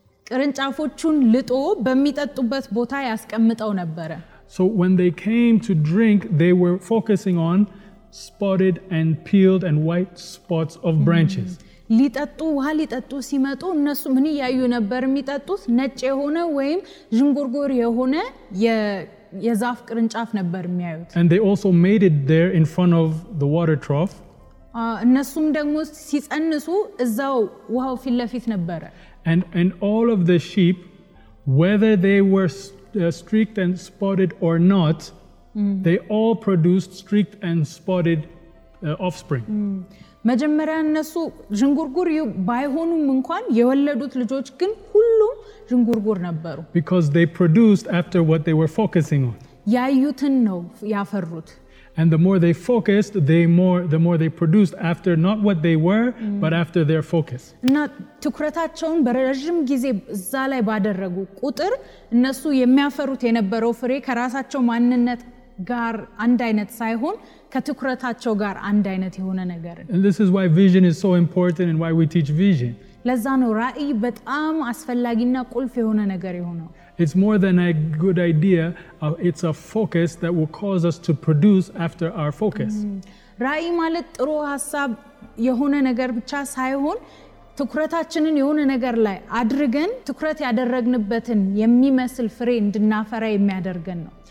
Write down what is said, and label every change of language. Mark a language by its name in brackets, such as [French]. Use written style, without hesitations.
[Amharic] ቅርንጫፎቹን ልጦ በሚጠጡበት ቦታ ያስቀምጠው ነበር። [English] So when they came to drink, they were focusing on spotted and peeled and white spots of branches. [Amharic] ሊጠጡ ውሃ ሊጠጡ ሲመጡ እነሱ ምን ያዩ ነበር የሚጠጡት? ነጭ የሆነ ወይም ዥንጉርጉር የሆነ የዛፍ ቅርንጫፍ ነበር የሚያዩት። [English] And they also made it there in front of the water trough. [Amharic] እነሱም ደግሞ ሲጸንሱ እዛው ውሃው ፊት ለፊት ነበር። [English] And all of the sheep, whether they were streaked and spotted or not, they all produced streaked and spotted offspring. [Amharic] መጀመሪያ እነሱ ዥንጉርጉር ባይሆኑም እንኳን የወለዱት ልጆች ግን ሁሉም ዥንጉርጉር ነበሩ። [English] Because they produced after what they were focusing on. [Amharic] ያዩትን ነው ያፈሩት። [English] And the more they focused, the more they produced after not what they were, but after their focus. [Amharic] እና ትኩረታቸውን በረጅም ጊዜ እዛ ላይ ባደረጉ ቁጥር እነሱ የሚያፈሩት የነበረው ፍሬ ከራሳቸው ማንነት ጋር አንድ አይነት ሳይሆን ከትኩረታቸው ጋር አንድ አይነት የሆነ ነገር። [English] And this is why vision is so important and why we teach vision. [Amharic] ለዛ ነው ራእይ በጣም አስፈላጊና ቁልፍ የሆነ ነገር የሆነው። [English] It's more than a good idea, it's a focus that will cause us to produce after our focus. [Amharic] ራእይ ማለት ጥሩ ሐሳብ የሆነ ነገር ብቻ ሳይሆን ትኩረታችንን የሆነ ነገር ላይ አድርገን ትኩረት ያደረግንበትን የሚመስል ፍሬ እንድናፈራ የሚያደርገን ነው።